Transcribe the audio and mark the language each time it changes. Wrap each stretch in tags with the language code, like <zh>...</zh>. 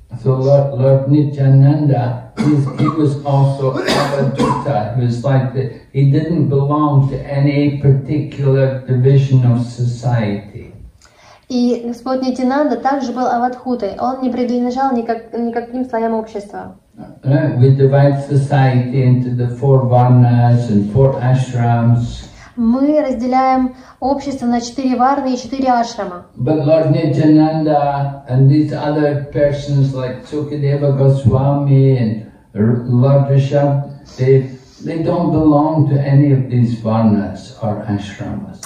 <en>So Lord Nityananda, he was also Avaduta. He was like that. He didn't belong to any particular division of society.</en> <ru>И Господь Нитьянанда также был Аватхутой. Он не принадлежал никаким слоям общества.</ru> <en>We divide society into the four varnas and four ashrams.</en> <ru>Мы разделяем общество на четыре варны и четыре ашрама.</ru> <en>But Lord Nityananda and these other persons like Sukadeva Goswami and Lord Rishabh, they don't belong to any of these varnas or ashramas.</en>